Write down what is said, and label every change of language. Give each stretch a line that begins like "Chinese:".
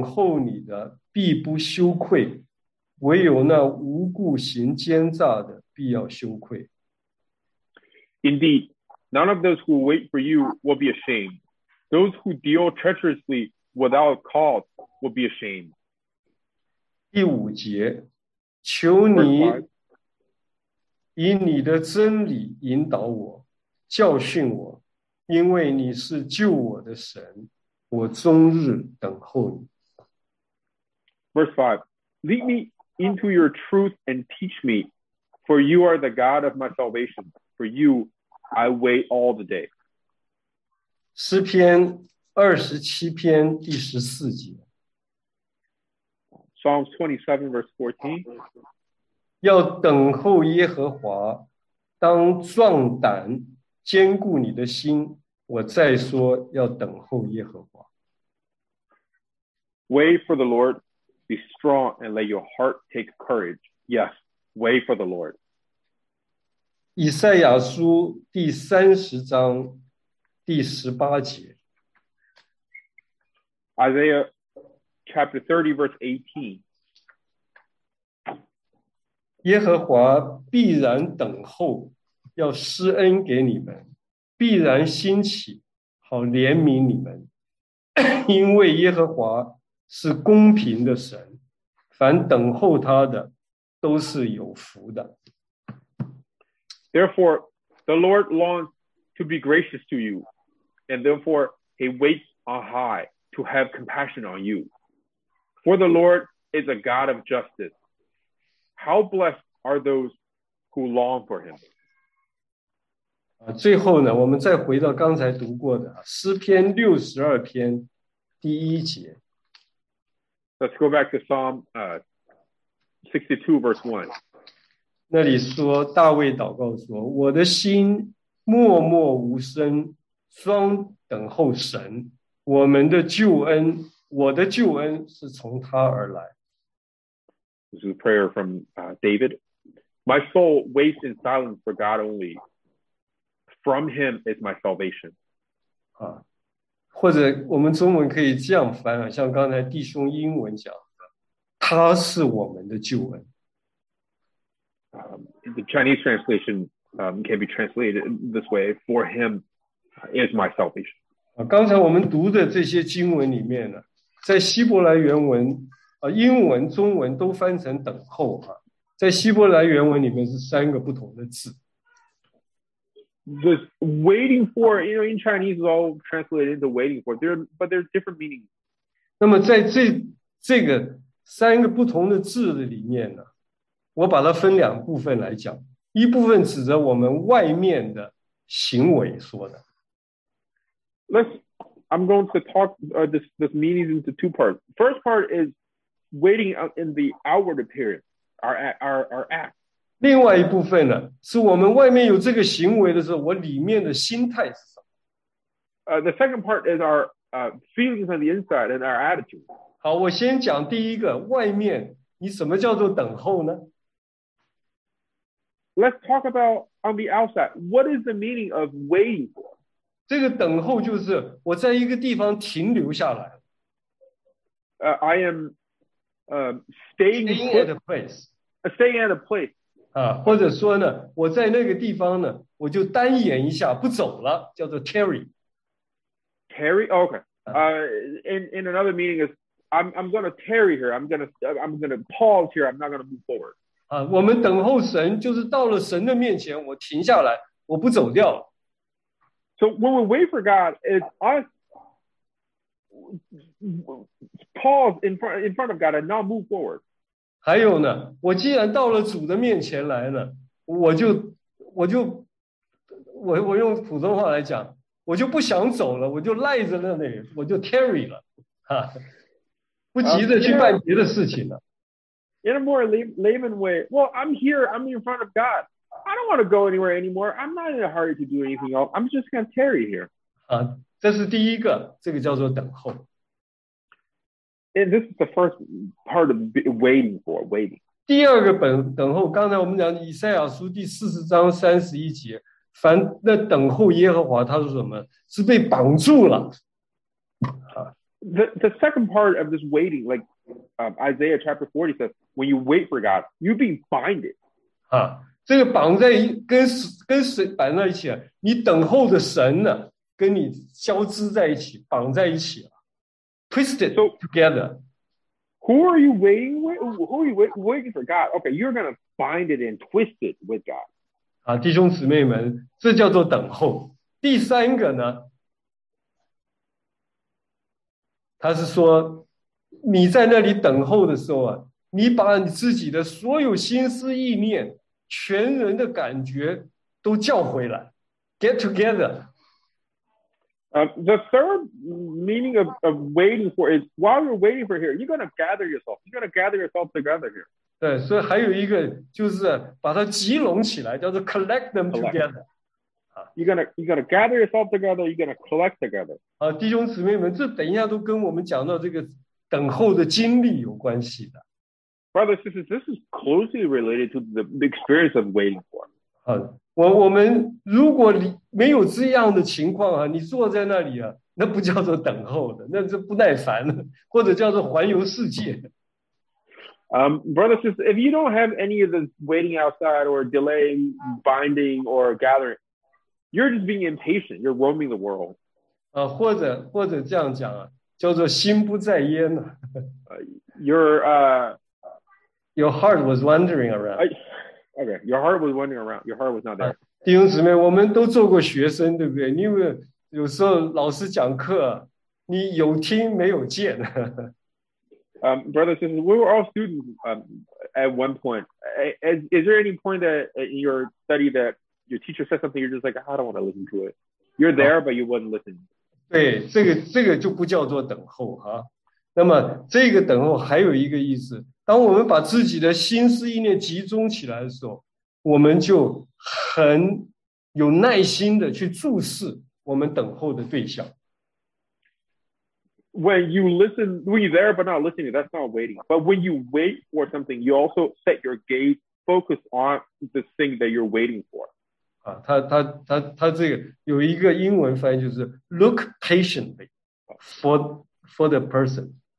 Chinese: 凡等候你的必不羞愧, 唯有那无故行奸诈的必要羞愧。
English: Indeed, none of those who wait for you will be ashamed. Those who deal treacherously without cause will be ashamed.
Chinese: 第五节, 求你以你的真理引导我, 教训我, 因为你是救我的神。
English: Verse 5, lead me into your truth and teach me, For you are the God of my salvation. For you, I wait all the day.
Chinese: 诗篇二十七篇第十四节。
English: Psalms 27 verse 14.
Chinese: 要等候耶和华，当壮胆，坚固你的心。我再说，要等候耶和华。
English: Wait for the Lord, be strong and let your heart take courage. Yes, wait for the Lord.
Chinese: 以赛亚书第三十章第十八节。
English: Isaiah chapter 30 verse 18.
Chinese: 耶和华必然等候，要施恩给你们，必然兴起，好怜悯你们，因为耶和华是公平的神，凡等候他的都是有福的。
English: Therefore, the Lord longs to be gracious to you, and therefore he waits on high to have compassion on you. For the Lord is a God of justice. How blessed are those who long for him.
Chinese: 最后呢，我们再回到刚才读过的诗篇六十二篇第一节。
English: Let's go back to Psalm 62 verse 1.
Chinese: 那里说，大卫祷告说，我的心默默无声，双等候神，我们的救恩，我的救恩是从他而来。
English: This is a prayer from David. My soul waits in silence for God only. From him is my salvation.
Chinese: 啊，或者我们中文可以这样翻啊，像刚才弟兄英文讲的，他是我们的救恩。
English: The Chinese translation can be translated this way, for him is my salvation.
Chinese: 刚才我们读的这些经文里面呢，在希伯来原文，英文、中文都翻成等候啊，在希伯来原文里面是三个不同的字。
English: This waiting for, you know, in Chinese is all translated into waiting for, but there are different meanings.
Chinese: 那么在这个三个不同的字的里面呢，我把它分两部分来讲，一部分指着我们外面的行为说的。
English: I'm going to talk this meaning into two parts. First part is waiting in the outward appearance, our act.
Chinese: 另外一部分呢，是我们外面有这个行为的时候，我里面的心态是什么？
English: The second part is our feelings on the inside and our attitude.
Chinese: 好，我先讲第一个，外面你什么叫做等候呢？
English: Let's talk about on the outside. What is the meaning of waiting for?
Chinese: 这个等候就是我在一个地方停留下来。
English: I am staying at a place. Staying at a place.
Chinese: 或者说呢，我在那个地方呢，我就单言一下，不走了，叫做 tarry.
English: Tarry? Okay. In another meaning is, I'm going to tarry here. I'm going to pause here. I'm not going to move forward.
Chinese: 我们等候神就是到了神的面前，我停下来，我不走掉。
English: So when we wait for God, it's us pause in front of God and not move forward.
Chinese: 还有呢，我既然到了主的面前来了，我用普通话来讲，我就不想走了，我就赖在那里，我就 tarry 了，不急着去办别的事情了。
English: In a more layman way, well, I'm here, I'm in front of God. I don't want to go anywhere anymore. I'm not in a hurry to do anything else. I'm just going to tarry here.
Chinese: 这是第一个，这个叫做等候。
English: And this is the first part of waiting for, waiting.
Chinese: 第二个等候，刚才我们讲以赛亚书第四十章三十一节，凡那等候耶和华，他是什么？是被绑住了。
English: The second part of this waiting, like,Isaiah chapter 40 says, when you wait for God, you're being binded.
Chinese: 这个绑在跟谁绑在一起啊？你等候的神呢，跟你交织在一起，绑在一起了。
English: Twisted together. Who are you waiting with? Who are you waiting for God? Okay, you're going to bind it and twist it with God.
Chinese: 弟兄姊妹们，这叫做等候。第三个呢，他是说你在那里等候的时候啊，你把你自己的所有心思意念全人的感觉都叫回来 ，
English: get together。 The third meaning of waiting for is while you're waiting for here, you're going to gather yourself. You're going to gather yourself together here.
Chinese: 对，所以还有一个就是把它集拢起来，叫做
English: collect them together. You're going to gather yourself together. You're going to collect together.
Chinese: 弟兄姊妹们，这等一下都跟我们讲到这个等候的经历有关系的。
English: Brothers and sisters, this is closely related to the experience of waiting for.
Chinese: 我们如果没有这样的情况啊，你坐在那里啊，那不叫做等候的，那是不耐烦的，或者叫做环游世界。
English: Brothers and sisters, if you don't have any of this waiting outside or delaying, binding or gathering, you're just being impatient. You're roaming the world.
Chinese: 或者这样讲啊，叫做心不在焉呢。
English: Your heart was wandering around. Okay, your heart was wandering around. Your heart was not there.
Chinese: 弟兄姊妹，我们都做过学生，对不对？因为有时候老师讲课，你有听没有见。
English: Brothers and sisters, we were all students at one point. Is there any point that in your study that your teacher said something you're just like, I don't want to listen to it? You're there, but you wasn't listening.
Chinese: 对，这个就不叫做等候哈。那么这个等候还有一个意思。当我们把自己的心思意念集中起来的时候，我们就很有耐心的去注视我们等候的对象。
English: When you listen, when you're there but not listening, that's not waiting. But when you wait for something, you also set your gaze focused on the thing that you're waiting for.
Chinese: 他这个有一个英文翻译就是
English: look patiently for the person.